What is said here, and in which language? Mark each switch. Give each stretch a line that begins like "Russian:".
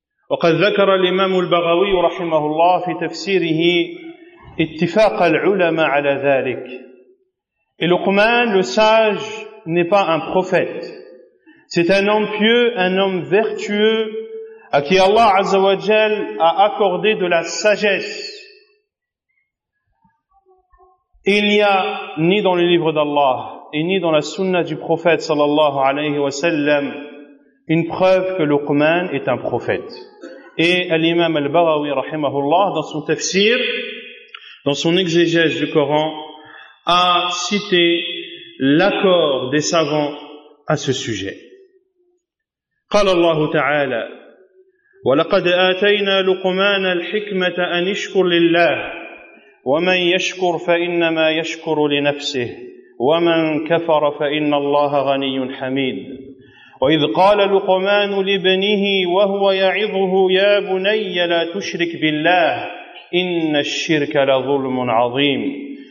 Arabic: وقد ذكر الإمام البغوي رحمه الله في تفسيره اتفاق العلماء على ذلك.
French: Et Luqman, le sage, n'est pas un prophète. C'est un homme pieux, un homme vertueux, à qui Allah Azza wa Jal a accordé de la sagesse. Il n'y a ni dans le livre d'Allah, et ni dans la sunna du prophète
Arabic: sallallahu alayhi wa sallam,
French: une preuve que Luqman est un prophète. Et l'imam al-Baghawi, rahimahullah, dans son tafsir, dans son exégèse du Coran, a cité l'accord des savants à ce sujet.
Arabic: قال الله تعالى ولقد آتينا لقمان الحكمة أن يشكر لله ومن يشكر فإنما يشكر لنفسه ومن كفر فإن الله غني حميد. وإذ قال لقمان لابنه وهو يعظه يا بني لا تشرك بالله إن الشرك لظلم عظيم.